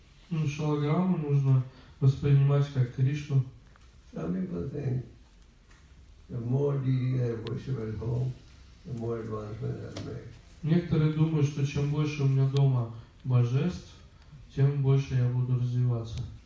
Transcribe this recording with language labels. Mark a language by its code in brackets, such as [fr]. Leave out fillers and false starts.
[ru] Ну, Шалаграму нужно воспринимать как Кришну. [en] Some people think the more deity they worship at home, the more advancement they make. [ru] Некоторые думают, что чем больше у меня дома божеств, тем больше я буду развиваться.